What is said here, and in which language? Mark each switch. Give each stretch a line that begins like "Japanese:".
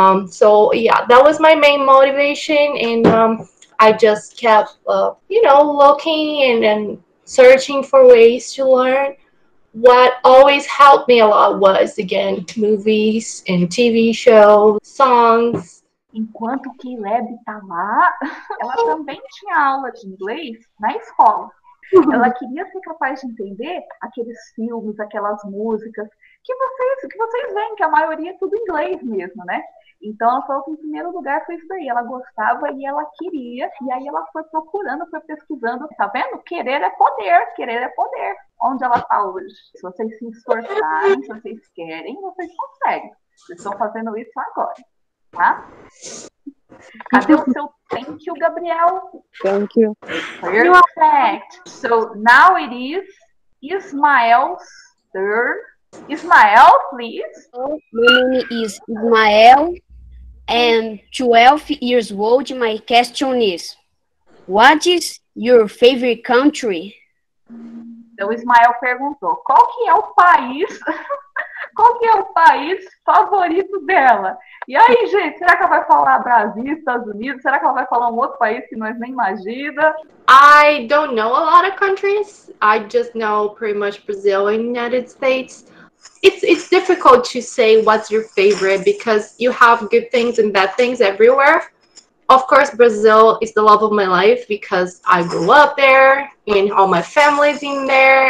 English: So yeah, that was my main motivation. And I just kept, looking and searching for ways to learn. What always helped me a lot was, again, movies and TV shows, songs.
Portuguese: Enquanto que Leb tá lá, ela também tinha aula de inglês na escola. Ela queria ser capaz de entender aqueles filmes, aquelas músicas que vocês veem, que a maioria é tudo inglês mesmo, né? Então, ela falou que em primeiro lugar foi isso daí. Ela gostava e ela queria. E aí, ela foi procurando, foi pesquisando. Tá vendo? Querer é poder. Querer é poder. Onde ela tá hoje? Se vocês se esforçarem, se vocês querem, vocês conseguem. Vocês estão fazendo isso agora, tá? Cadê o seu
English: thank you,
Portuguese: Gabriel?
English: Thank you. Perfect. So, now it is Ismael's turn. Ismael, please. My name is Ismael. And 12 years old, my question is, what is your favorite country?
Portuguese: Então, Ismael perguntou, qual que é o país favorito dela? E aí, gente, será que ela vai falar Brasil, Estados Unidos? Será que ela vai falar um outro país que nós nem imagina?
English: I don't know a lot of countries. I just know pretty much Brazil and United States. It's difficult to say what's your favorite, because you have good things and bad things everywhere. Of course, Brazil is the love of my life because I grew up there and all my family's in there.